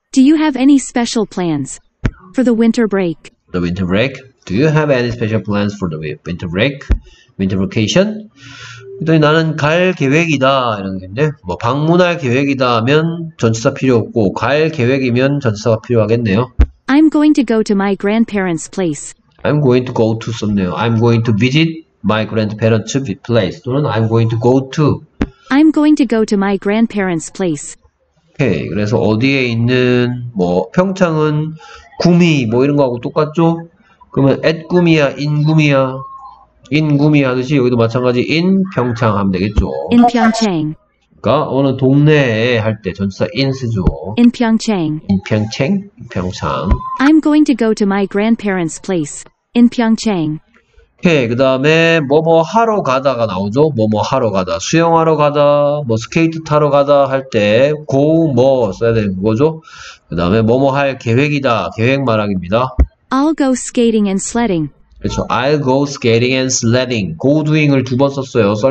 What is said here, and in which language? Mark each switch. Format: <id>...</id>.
<en>Do you have any special plans for the winter break? The winter break? Do you have any special plans for the winter break? Winter vacation?</en> <ko>나는 갈 계획이다 이런 건데 뭐 방문할 계획이다 하면 전치사 필요 없고 갈 계획이면 전치사가 필요하겠네요.</ko> <en>I'm going to go to my grandparents' place. I'm going to go to</en> <ko>썼네요.</ko> <en>I'm going to visit my grandparents' place.</en> <ko>또는</ko> <en>I'm going to go to. I'm going to go to my grandparents' place.</en> <ko>오케이. 그래서 어디에 있는 뭐 평창은 구미 뭐 이런 거하고 똑같죠? 그러면 at 구미야, in 구미야. in 구미 하듯이 여기도 마찬가지 in 평창 하면 되겠죠. in 평창. 그러니까 어느 동네에 할 때 전치사 in 쓰죠. in 평창. in 평창. 평창.</ko> <en>I'm going to go to my grandparents' place in 평창.</en> <ko>오케이. 그다음에 뭐뭐 하러 가다가 나오죠. 뭐뭐 하러 가다. 수영하러 가다. 뭐 스케이트 타러 가다 할 때 go 뭐 써야 되는 거죠. 그다음에 뭐뭐 할 계획이다. 계획 말하기입니다.</ko> <en>I'll go skating and sledding.</en> <ko>그렇죠.</ko> <en>I'll go skating and sledding. Go doing을</en> <ko>두 번 썼어요.</ko>